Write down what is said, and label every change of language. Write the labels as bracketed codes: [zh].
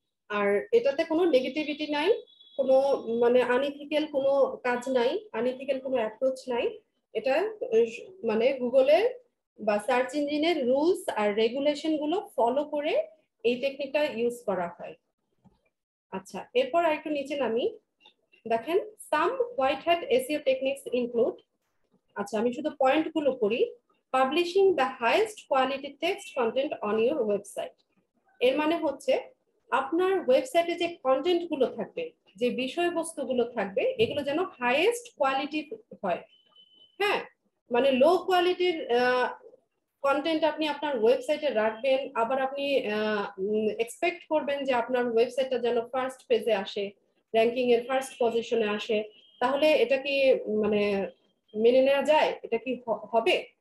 [bn] আর এটাতে কোনো নেগেটিভিটি নাই, কোনো মানে আনইথিক্যাল কোনো কাজ নাই, আনইথিক্যাল কোনো অ্যাপ্রোচ নাই, এটা মানে গুগলের বা সার্চ ইঞ্জিনের রুলস আর রেগুলেশন গুলো ফলো করে এই টেকনিকটা ইউজ করা হয়। আচ্ছা, এরপর আর একটু নিচে নামি, দেখেন [en] some white hat SEO techniques include, [bn] আচ্ছা আমি শুধু পয়েন্ট গুলো করি, [en] publishing the highest quality text content on your website. [bn] এর মানে হচ্ছে আপনার ওয়েবসাইটে যে কন্টেন্ট গুলো থাকবে, যে বিষয়বস্তু গুলো থাকবে, এগুলো যেন হাইয়েস্ট কোয়ালিটি হয়। হ্যাঁ, মানে লো কোয়ালিটির কন্টেন্ট আপনি আপনার ওয়েবসাইটে রাখবেন, আবার আপনি এক্সপেক্ট করবেন যে আপনার ওয়েবসাইটটা যেন ফার্স্ট পেজে আসে, র্যাঙ্কিং এর ফার্স্ট পজিশনে আসে, তাহলে এটা কি মানে মেনে নেওয়া যায়? এটা কি হবে?